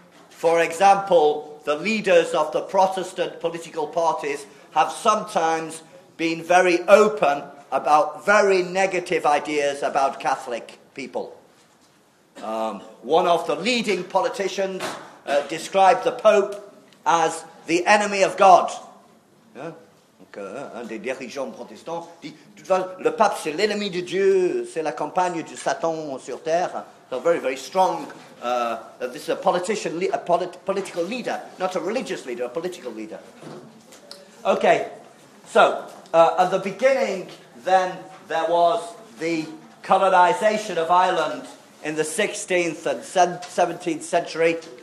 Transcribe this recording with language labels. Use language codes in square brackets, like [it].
[en] For example, the leaders of the Protestant political parties have sometimes been very open about very negative ideas about Catholic people. One of the leading politicians described the Pope as the enemy of God. [fr] Un des dirigeants protestants dit, le pape c'est l'ennemi de Dieu, c'est la campagne de Satan sur terre. [en] So very, very strong. This is a politician, political leader, not a religious leader, a political leader. Okay, so at the beginning, then there was the colonization of Ireland in the 16th and 17th century.